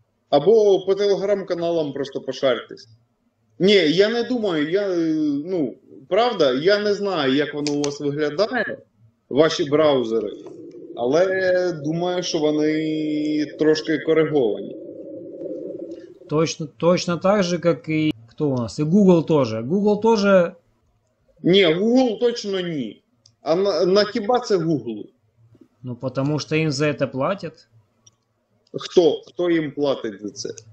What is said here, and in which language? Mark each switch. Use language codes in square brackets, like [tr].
[uk] Або по телеграм-каналам просто пошарьтесь. Ні, я не думаю, ну, правда, я не знаю, як воно у вас виглядає, ваші браузери, але думаю, що вони трошки кориговані. [ru] Точно так же, как и кто у нас? И Google тоже. Google тоже. [uk] Ні, Google точно ні. А на хіба це Google? [ru] Ну, потому что им за это платят. [uk] Хто їм платить за це?